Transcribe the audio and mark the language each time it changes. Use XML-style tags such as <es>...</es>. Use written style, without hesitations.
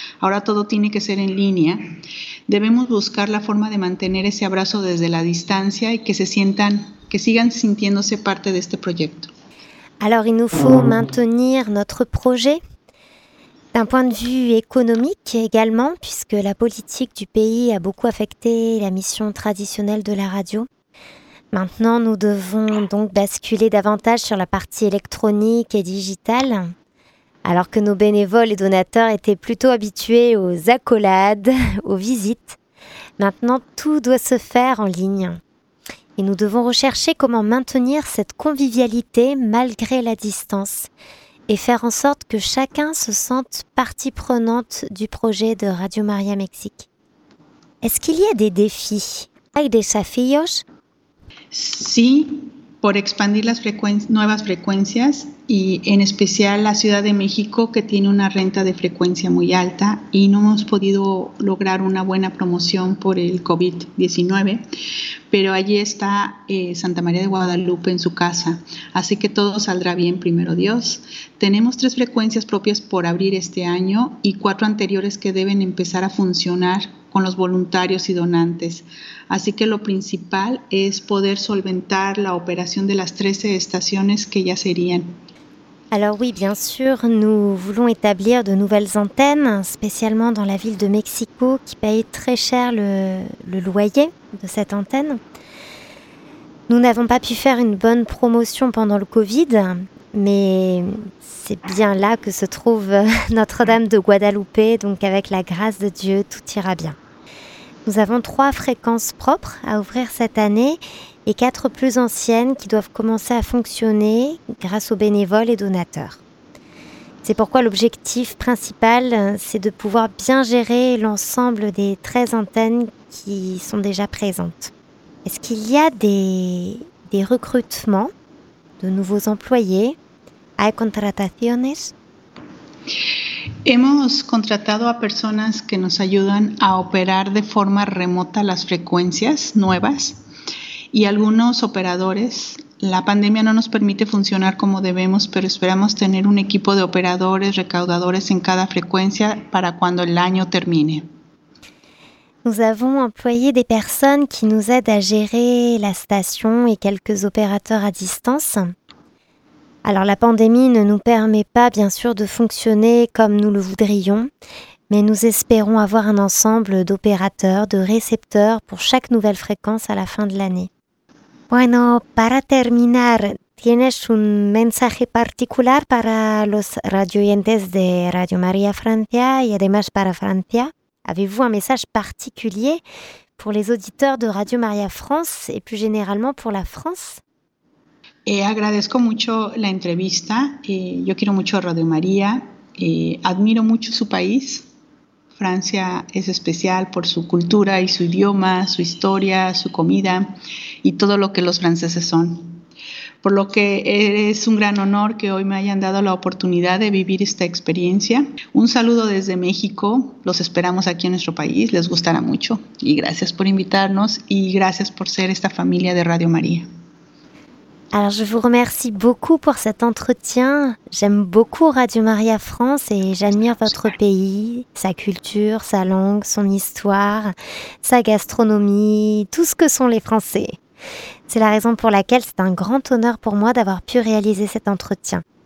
<es>Ahora todo tiene que ser en línea. Debemos buscar la forma de mantener ese abrazo desde la distancia y que se sientan, que sigan sintiéndose parte de este proyecto.</es> <fr>Alors, il nous faut maintenir notre projet. D'un point de vue économique également, puisque la politique du pays a beaucoup affecté la mission traditionnelle de la radio. Maintenant, nous devons donc basculer davantage sur la partie électronique et digitale, alors que nos bénévoles et donateurs étaient plutôt habitués aux accolades, aux visites. Maintenant, tout doit se faire en ligne. Et nous devons rechercher comment maintenir cette convivialité malgré la distance, et faire en sorte que chacun se sente partie prenante du projet de Radio María Mexique. Est-ce qu'il y a des défis?</fr> <es>¿Hay desafíos? Sí, por expandir las nuevas frecuencias y en especial la Ciudad de México, que tiene una renta de frecuencia muy alta y no hemos podido lograr una buena promoción por el COVID-19, pero allí está Santa María de Guadalupe en su casa, así que todo saldrá bien, primero Dios. Tenemos 3 frecuencias propias por abrir este año y 4 anteriores que deben empezar a funcionar con los voluntarios y donantes. Así que lo principal es poder solventar la operación de las 13 estaciones que ya serían.</es> <fr>Alors oui, bien sûr, nous voulons établir de nouvelles antennes, spécialement dans la ville de Mexico, qui paye très cher le loyer de cette antenne. Nous n'avons pas pu faire une bonne promotion pendant le Covid, mais c'est bien là que se trouve Notre-Dame de Guadalupe, donc avec la grâce de Dieu, tout ira bien. Nous avons 3 fréquences propres à ouvrir cette année et 4 plus anciennes qui doivent commencer à fonctionner grâce aux bénévoles et donateurs. C'est pourquoi l'objectif principal, c'est de pouvoir bien gérer l'ensemble des 13 antennes qui sont déjà présentes. Est-ce qu'il y a des recrutements de nouveaux employés?</fr> <es>¿Hay contrataciones? Hemos contratado a personas que nos ayudan a operar de forma remota las frecuencias nuevas y algunos operadores. La pandemia no nos permite funcionar como debemos, pero esperamos tener un equipo de operadores, recaudadores en cada frecuencia para cuando el año termine.</es> <fr>Nous avons employé des personnes qui nous aident à gérer la station et quelques opérateurs à distance. Alors la pandémie ne nous permet pas bien sûr de fonctionner comme nous le voudrions, mais nous espérons avoir un ensemble d'opérateurs, de récepteurs pour chaque nouvelle fréquence à la fin de l'année.</fr> <es>Bueno, para terminar, ¿Tienes un mensaje particular para los radioyentes de Radio María Francia y además para Francia?</es> <fr>¿Avez-vous un mensaje particulier pour les auditeurs de Radio María France et plus généralement pour la France?</fr> <es>Agradezco mucho la entrevista. Yo quiero mucho a Radio María. Admiro mucho su país. Francia es especial por su cultura y su idioma, su historia, su comida y todo lo que los franceses son. Por lo que es un gran honor que hoy me hayan dado la oportunidad de vivir esta experiencia. Un saludo desde México. Los esperamos aquí en nuestro país. Les gustará mucho. Y gracias por invitarnos y gracias por ser esta familia de Radio María.</es> <fr>Alors, je vous remercie beaucoup pour cet entretien. J'aime beaucoup Radio María France et j'admire votre pays, sa culture, sa langue, son histoire, sa gastronomie, tout ce que sont les Français. C'est la raison pour laquelle c'est un grand honneur pour moi d'avoir pu réaliser cet entretien.</fr>